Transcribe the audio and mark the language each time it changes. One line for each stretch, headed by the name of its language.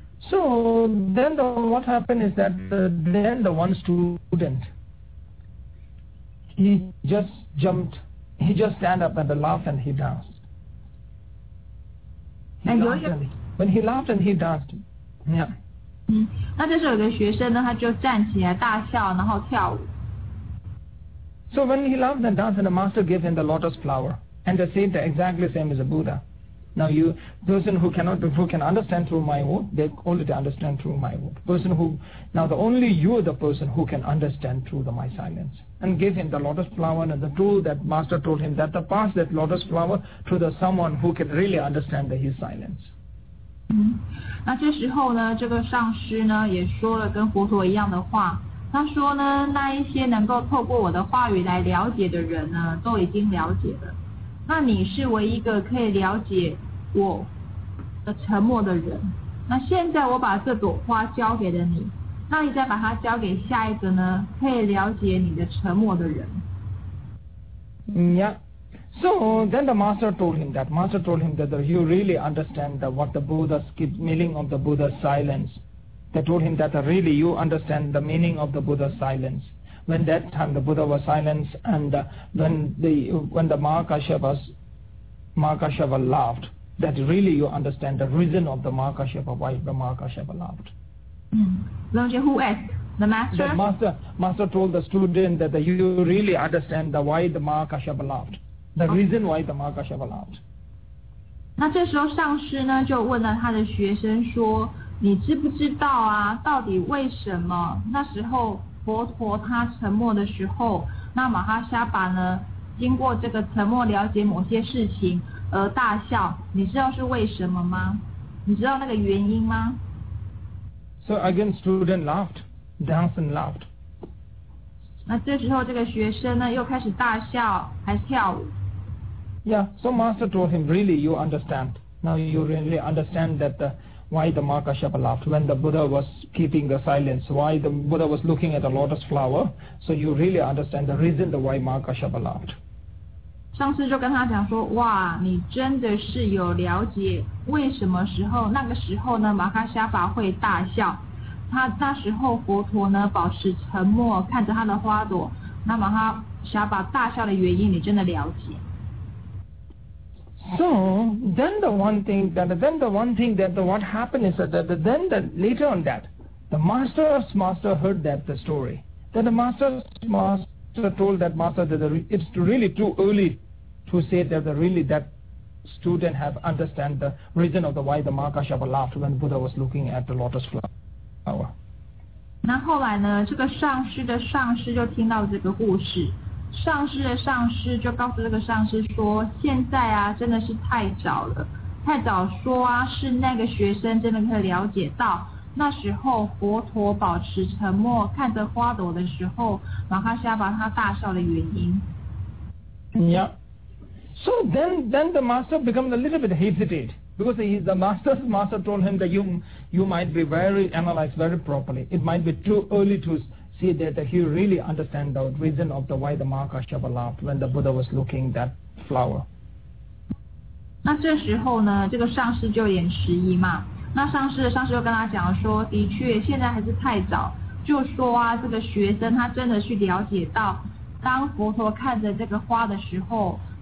English: So then what happened is that then the one student. He just jumped, he just stand up and laughed and he danced. When he laughed and he danced, yeah.
Chinese: 那这时候有个学生呢，他就站起来大笑，然后跳舞。
English: So when he laughed and danced, the master gave him the lotus flower, and the same, exactly same as the Buddha. Now you, person who can understand through my word, they only understand through my word. Person who, now the only you are the person who can understand through my silence. And give him the lotus flower and the tool that master told him that the pass that lotus flower to the someone who can really understand the, his silence.
Chinese: 那这时候呢，这个上师呢也说了跟佛陀一样的话。他说呢，那一些能够透过我的话语来了解的人呢，都已经了解了。那你是唯一一个可以了解我的沉默的人。那现在我把这朵花交给了你。那你再把它交给下一个呢，可以了解你的沉默的人。
English: Yeah. So then the master told him that. Master told him that you really understand the, what the Buddha's meaning of the Buddha's silence. They told him that really you understand the meaning of the Buddha's silence. When that time the Buddha was silent, and when the Mahakashyapa laughed, that really you understand the reason of the Mahakashyapa, why the Mahakashyapa laughed. Who asked? The master? The master told the student that you really understand the why the Mahakashyapa laughed. The reason why the Mahakashyapa laughed.
Chinese: 那这时候上师呢就问了他的学生说，你知不知道啊，到底为什么那时候佛陀他沉默的时候，那马哈沙巴呢经过这个沉默了解某些事情而大笑，你知道是为什么吗？你知道那个原因吗？
English: So again, student laughed, danced and laughed.
Chinese: 那这时候这个学生呢又开始大笑，还跳舞。
English: Yeah, so master told him, really, you understand. Now you really understand that the, why the Mahakashyapa laughed when the Buddha was keeping the silence, why the Buddha was looking at a lotus flower. So you really understand the reason the why Mahakashyapa laughed.
Chinese: 上次就跟他讲说，哇，你真的是有了解。为什么时候那个时候呢马哈沙巴会大笑，他那时候佛陀呢保持沉默看着他的花朵，那马哈沙巴大笑的原因你真的了解。
English: So then what happened is that then the, later on that the master's master heard that the story, then the master's master told that master that it's really too early to say that the really thatstudent have understand the reason of the why the Mahakashyapa laughed when Buddha was looking at the lotus flower.
Chinese: 那后来呢，这个上师的上师就听到这个故事，上师的上师就告诉这个上师说，现在啊真的是太早了，太早说啊，是那个学生真的可以了解到，那时候佛陀保持沉默看着花朵的时候，马哈沙巴他大笑的原因。
English: Yeah. So then the master becomes a little bit hesitate, because the master told him that you might be very analyzed very properly. It might be too early to see that he really understand the reason of the why the Mahakashyapa laughed when the Buddha was looking that flower.
Chinese: 那这时候呢，这个上师就有点迟疑嘛。那上师又跟他讲说，的确现在还是太早，就说啊，这个学生他真的去了解到，当佛陀看着这个花的时候。